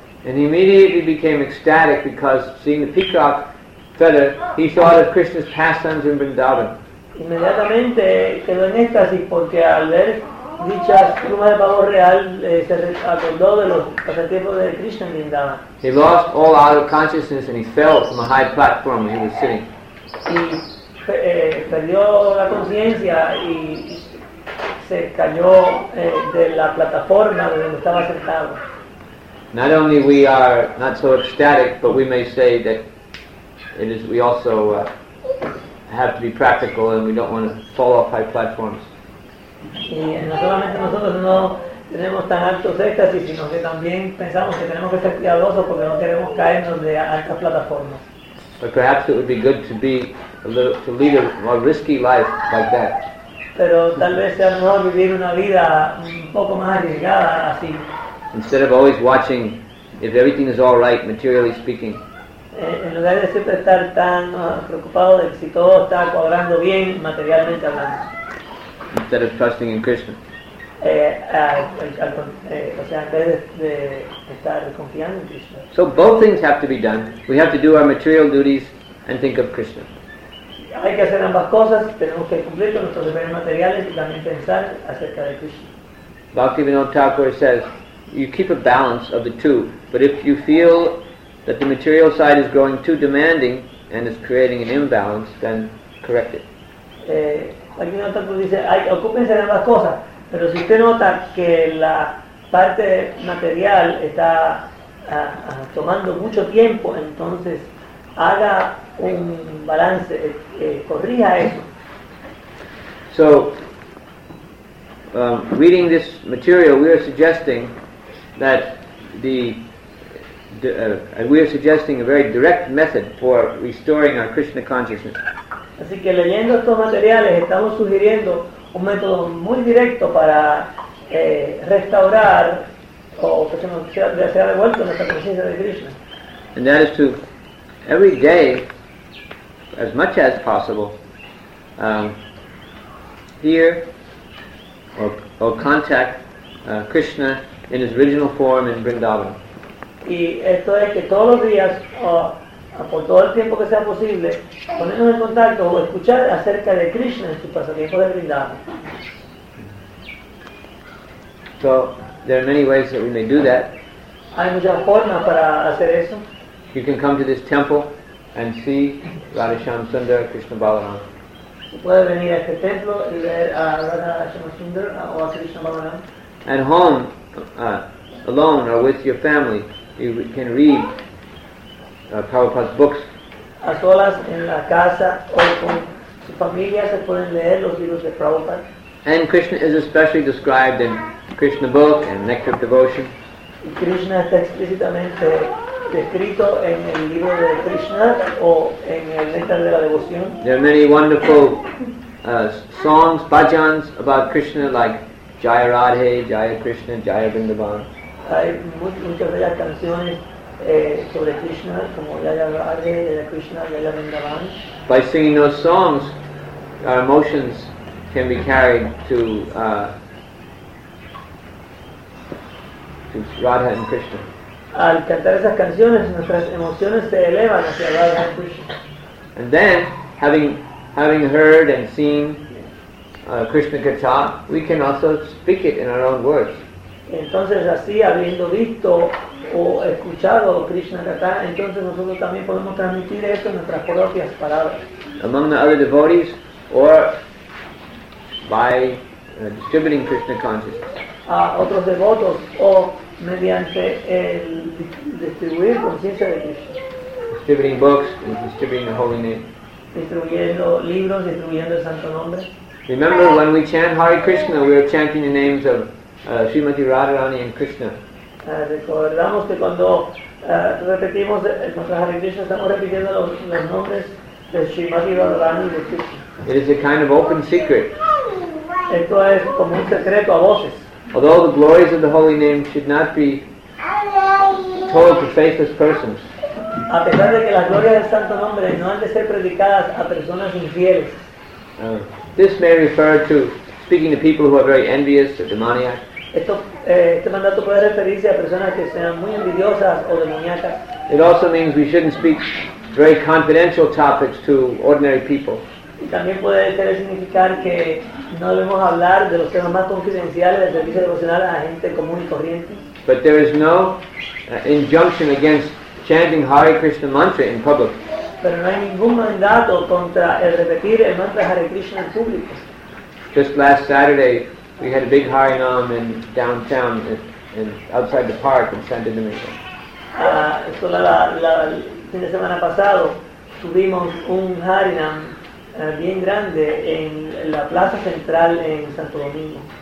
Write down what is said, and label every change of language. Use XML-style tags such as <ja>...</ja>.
<en>And he immediately became ecstatic because seeing the peacock feather, he thought of Krishna's pastimes in Vrindavan.</en> <es>Inmediatamente quedó en éxtasis porque al ver dichas plumas de pavo real se acordó de los pasatiempos de Krishna en Vrindavan.</es> <en>He lost all out of consciousness and he fell from a high platform where he was sitting.</en> <es>Y perdió la conciencia y se cayó de la plataforma de donde estaba sentado.</es> <en>Not only we are not so ecstatic, but we may say that it is. We also have to be practical, and we don't want to fall off high platforms.</en> <es>No solamente nosotros no tenemos tan altos éxtasis, sino que también pensamos que tenemos que ser cuidadosos porque no queremos caernos de altas plataformas.</es> <en>But perhaps it would be good to be a little, to lead a more risky life like that.</en> <es>Pero tal vez sea mejor vivir una vida un poco más arriesgada así.</es> <en>Instead of always watching if everything is all right, materially speaking.</en> <es>En lugar de siempre estar tan preocupado de si todo está cuadrando bien materialmente hablando.</es> <en>Instead of trusting in Krishna.</en> <es>En vez de estar confiando en Krishna.</es> <en>So both things have to be done. We have to do our material duties and think of Krishna.</en> <es>Hay que hacer ambas cosas. Tenemos que cumplir con nuestros deberes materiales y también pensar acerca de Krishna.</es> <en>Bhaktivinoda Thakur says, you keep a balance of the two, but if you feel that the material side is growing too demanding and is creating an imbalance, then correct it.</en> <es>Aquí nota que dice, ocúpense de ambas cosas, pero si usted nota que la parte material está tomando mucho tiempo, entonces haga un balance, corrija eso.</es> <en>So, reading this material, we are suggesting that we are suggesting a very direct method for restoring our Krishna consciousness.</en> <es>Así que leyendo estos materiales estamos sugiriendo un método muy directo para restaurar o que se nos sea devuelto nuestra conciencia de Krishna.</es> <en>And that is to every day, as much as possible, hear or contact Krishna in his original form in Vrindavan.</en> <es>Y esto es que todos los días, por todo el tiempo que sea posible, ponernos en contacto o escuchar acerca de Krishna en su pasatiempo de Vrindavan.</es> <en>So, there are many ways that we may do that.</en> <es>Hay muchas formas para hacer eso.</es> <en>You can come to this temple and see Radhisham Sundar, Krishna Balaram.</en> <es>Puede venir a este templo y ver a Radhisham Sundar o a Krishna Balaram.</es> <en>At home, alone or with your family, you can read Prabhupada's books.</en> <es>A solas en la casa o con su familia se pueden leer los libros de Prabhupada.</es> <en>And Krishna is especially described in Krishna book and Nectar of Devotion.</en> <es>Y Krishna está explícitamente descrito en el libro de Krishna o en el Nectar de la Devoción.</es> <en>There are many wonderful songs, bhajans about Krishna, like Jaya Radhe, Jaya Krishna, Jaya Vrindavan.</en> <es>Hay muchas bellas canciones sobre Krishna, como Jaya Radhe, Jaya Krishna, Jaya Vrindavan.</es> <en>By singing those songs, our emotions can be carried to Radha and Krishna.</en> <es>Al cantar esas canciones, nuestras emociones se elevan hacia Radha and Krishna.</es> <en>And then, having heard and seen Krishna Katha, we can also speak it in our own words.</en> <es>Entonces, así, habiendo visto o escuchado Krishna Katha, entonces nosotros también podemos transmitir esto en nuestras propias palabras.</es> <en>Among the other devotees, or by distributing Krishna consciousness.</en> <es>A otros devotos, o mediante el distribuir conciencia de Krishna.</es> <en>Distributing books, and distributing the holy name.</en> <es>Distribuyendo libros, distribuyendo el santo nombre.</es> <en>Remember, when we chant Hare Krishna, we are chanting the names of Srimati Radharani and Krishna.</en> <es>Recordamos que cuando repetimos nuestra Hare Krishna, estamos repitiendo los nombres de Srimati Radharani y de Krishna.</es> <en>It is a kind of open secret.</en> <es>Esto es como un secreto a voces.</es> <en>Although the glories of the holy name should not be told to faithless persons.</en> <es>A pesar de que las glorias del santo nombre no han de ser predicadas a personas infieles.</es> <en>This may refer to speaking to people who are very envious or demoniac.</en> <es>Este mandato puede referirse a personas que sean muy envidiosas o demoníacas.</es> <en>It also means we shouldn't speak very confidential topics to ordinary people.</en> <es>Y también puede significar que no debemos hablar de los temas más confidenciales del servicio devocional a gente común y corriente.</es> <en>But there is no injunction against chanting Hare Krishna mantra in public.</en> <es>Pero no hay ningún mandato contra el repetir el mantra Hare Krishna en público.</es> <en>Just last Saturday, we had a big Harinam in downtown, in outside the park in Santo Domingo.</en> <es>El fin de semana pasado tuvimos un Harinam bien grande en la plaza central en Santo Domingo.</es>